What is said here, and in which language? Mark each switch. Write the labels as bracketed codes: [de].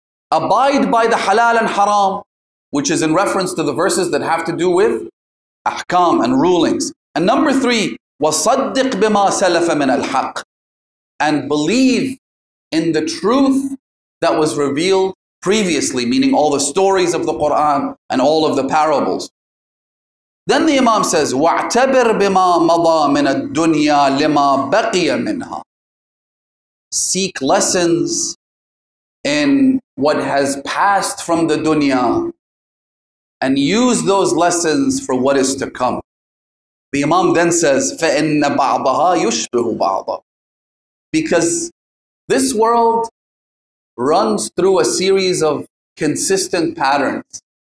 [en] Abide by the halal and haram, which is in reference to the verses that have to do with ahkam and rulings. And number three, [ar] وَصَدِّقْ بِمَا سَلَفَ مِنَ الْحَقِّ, [en] and believe in the truth that was revealed previously, meaning all the stories of the Quran and all of the parables. Then the Imam says, [ar] وَاعْتَبِرْ بِمَا مَضَى مِنَ الدُّنْيَا لِمَا بَقِيَ مِنْهَا. [en] Seek lessons in what has passed from the dunya and use those lessons for what is to come. The Imam then says, [ar] فَإِنَّ بَعْضَهَا يُشْبِهُ بَعْضًا. [en] Because this world runs through a series of consistent patterns.